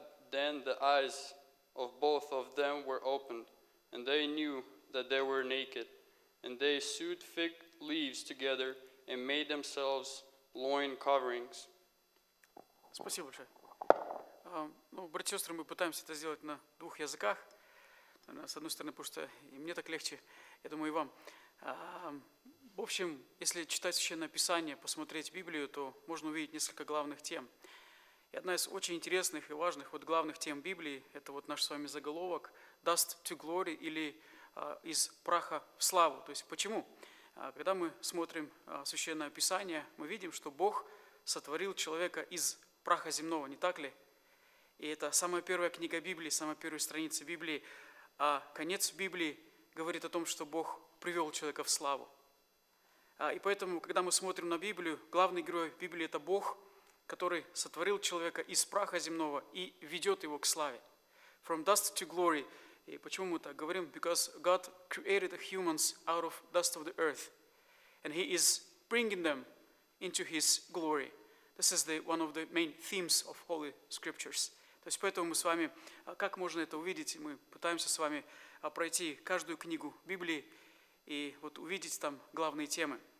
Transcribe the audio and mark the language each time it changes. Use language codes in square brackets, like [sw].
[en] Then the eyes of both of them were opened, and they knew that they were naked. And they sewed fig leaves together and made themselves loin coverings. [ru] Спасибо большое. Братья и сестры, мы пытаемся это сделать на двух языках. С одной стороны, потому что и мне так легче, я думаю, и вам. В общем, если читать Священное Писание, посмотреть Библию, то можно увидеть несколько главных тем. И одна из очень интересных и важных главных тем Библии, это наш с вами заголовок, [en] «Dust to glory» [ru] или «Из праха в славу». То есть почему? Когда мы смотрим Священное Писание, мы видим, что Бог сотворил человека из праха земного, не так ли? И это самая первая книга Библии, самая первая страница Библии. А конец Библии говорит о том, что Бог привел человека в славу. И поэтому, когда мы смотрим на Библию, главный герой Библии – это Бог, который сотворил человека из праха земного и ведет его к славе. [en] From dust to glory. [ru] И почему мы так говорим? [en] Because God created humans out of dust of the earth. And he is bringing them into his glory. This is one of the main themes of Holy Scriptures. [ru] То есть поэтому мы с вами, как можно это увидеть? Мы пытаемся с вами пройти каждую книгу Библии и увидеть там главные темы.